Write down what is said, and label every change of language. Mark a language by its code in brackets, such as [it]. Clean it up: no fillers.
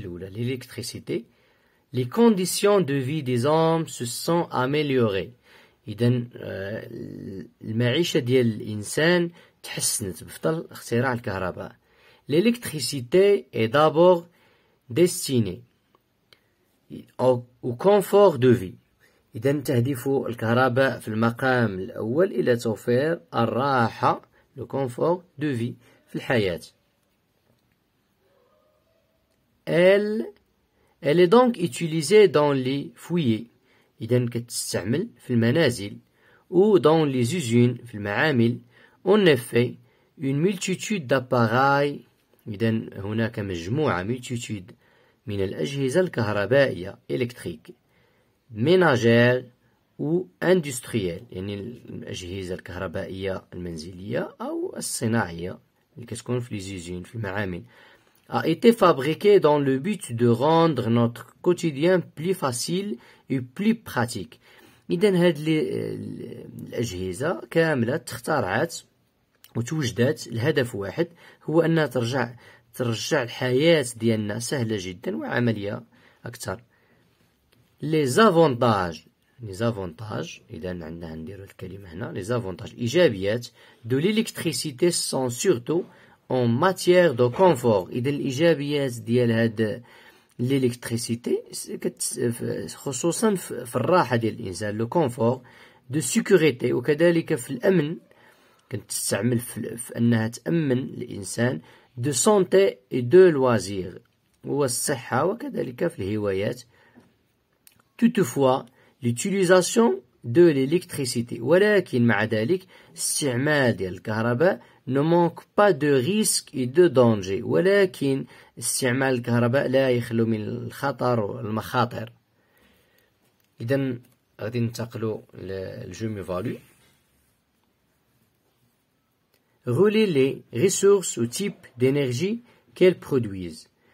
[fr] L'électricité, les conditions de vie des hommes se sont améliorées. [ar] إذن المعيشة ديال الإنسان تحسنت بفضل اختراع الكهرباء. [fr] L'électricité est d'abord destinée au confort de vie. [ar] إذن تهدف الكهرباء في المقام الأول إلى توفير الراحة, [fr] le confort de vie [ar] في الحياة. [fr] Elle est donc utilisée dans les foyers. [ar] إذن كتستعمل في المنازل [fr] ou dans les usines [ar] في المعامل. [fr] En effet, une multitude d'appareils, [ar] إذن هناك مجموعة [fr] multitude [ar] من الأجهزة الكهربائية [fr] électrique ménagère ou industrielle, [ar] يعني الأجهزة الكهربائية المنزلية أو الصناعية اللي كتكون في [fr] les usines [ar] في المعامل, [fr] a été fabriqué dans le but de rendre notre quotidien plus facile et plus pratique. [ar] إذن هاد الأجهزة كاملة تخترعت وتوجدت الهدف واحد هو أنها ترجع الحياة ديالنا سهلة جدا وعملية أكثر. [fr] Les avantages, [ar] إذن عندنا هنديرو الكلمة هنا, [fr] les avantages, [ar] إيجابيات [fr] de l'électricité sont surtout en matière de confort. [ar] إذن الإيجابيات ديال هاد l'électricité, خصوصا في الراحة ديال الإنسان, [fr] le confort, de sécurité, [ar] وكذلك في الأمن, كنت تستعمل في أنها تأمن الإنسان, [fr] de santé et de loisir, [ar] والصحة, وكذلك في الهوايات. [fr] Toutefois, l'utilisation de l'électricité, [ar] ولكن مع ذلك, استعمال ديال الكهرباء [fr] ne manque pas de risques et de dangers. [ar] ولكن استعمال الكهرباء لا يخلو من الخطر والمخاطر. إذن غادي ننتقلوا للجومي فالو. [fr] رولي لي ريسورس و تيب دينيرجي كيل برودويز.